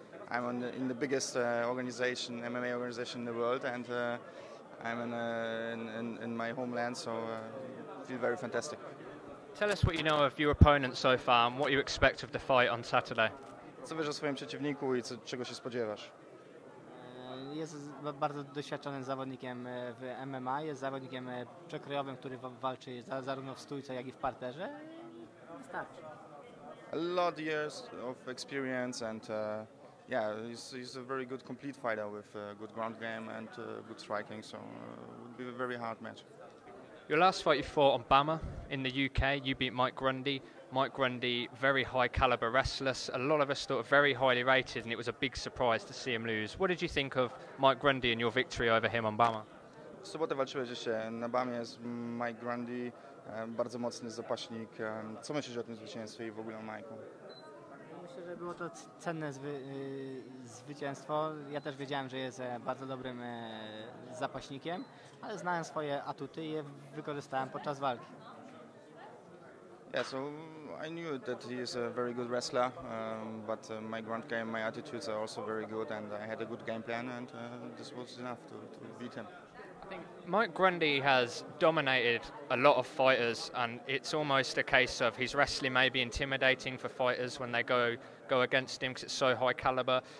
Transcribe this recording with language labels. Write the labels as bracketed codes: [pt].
[en] I'm in the biggest organization, MMA organization in the world, and I'm in my homeland, so I feel very fantastic. Tell us what you know of your opponent so far and what you expect of the fight on Saturday. [pl] Co wiesz o swoim przeciwniku i czego się spodziewasz? Jest bardzo doświadczonym zawodnikiem w MMA, jest zawodnikiem przekrojowym, który walczy zarówno w stójce, jak i w parterze. Wystarczy. [en] A lot of years of experience and he's a very good complete fighter with a good ground game and good striking, so it would be a very hard match. Your last fight you fought on Bama in the UK, you beat Mike Grundy. Mike Grundy, very high caliber wrestler. A lot of us thought very highly rated, and it was a big surprise to see him lose. What did you think of Mike Grundy and your victory over him on Bama? [pl] W sobotę walczyłeś się na Bamie z Mike Grundy, bardzo mocny zapaśnik. Co myślisz o tym zwycięstwie i w ogóle o Mike'u? Myślę, że było to cenne zwycięstwo. Ja też wiedziałem, że jest bardzo dobrym zapaśnikiem, ale znałem swoje atuty i je wykorzystałem podczas walki. [en] Yeah, so I knew that he is a very good wrestler, but my ground game, my attitudes are also very good, and I had a good game plan, and this was enough to beat him. I think Mike Grundy has dominated a lot of fighters, and it's almost a case of his wrestling may be intimidating for fighters when they go against him because it's so high caliber.